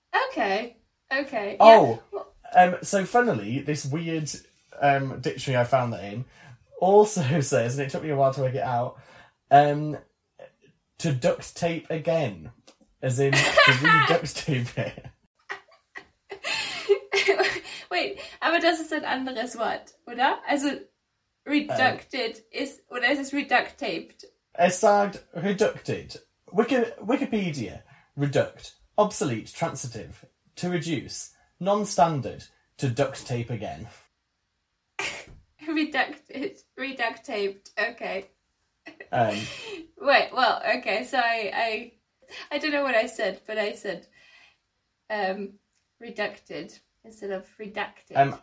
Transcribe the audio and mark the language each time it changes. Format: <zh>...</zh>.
<en>Okay. Okay. Yeah. Oh, so funnily, this weird dictionary I found that in also says, and it took me a while to work it out, to duct tape again. As in, to reduct tape it.</en> <de>Wait, aber das ist ein anderes Wort, oder? Also, reducted ist, oder ist es reduct taped? Es sagt reducted.</de> <en>Wikipedia, reduct, obsolete, transitive, to reduce, non-standard, to duct tape again. Reducted, reduct taped, okay. Wait, well, okay, so I don't know what I said, but I said reducted instead of redacted.</en>